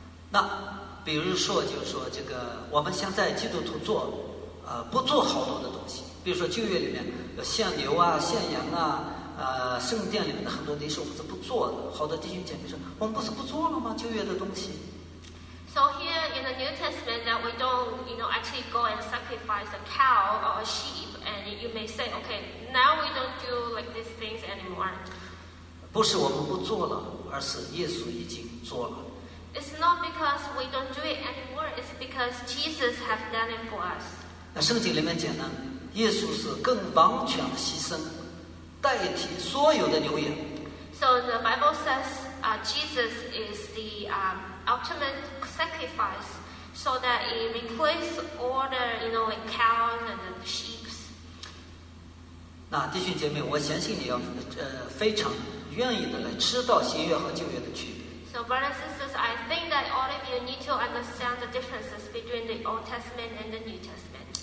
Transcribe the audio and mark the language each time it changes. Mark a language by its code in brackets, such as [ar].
[zh] 那比如说，就是说这个，我们现在基督徒做，不做好多的东西，比如说旧约里面有献牛啊、献羊啊。圣殿里面的很多东西我们是不做的。好多弟兄姐妹说，我们不是不做了吗？旧约的东西。 [en] So here in the New Testament that we don't, you know, actually go and sacrifice a cow or a sheep, and you may say, okay, now we don't do like these things anymore. [zh] 不是我们不做了，而是耶稣已经做了。 [en] It's not because we don't do it anymore. It's because Jesus has done it for us. [zh] 那圣经里面讲呢，耶稣是更完全的牺牲。代替所有的牛羊。 [en] So the Bible says, Jesus is the ultimate sacrifice, so that it replaces all the, you know, like cows and sheep. [zh] 那弟兄姐妹，我相信你要非常愿意的来知道新约和旧约的区别。 [en] So brothers and sisters, I think that all of you need to understand the differences between the Old Testament and the New Testament.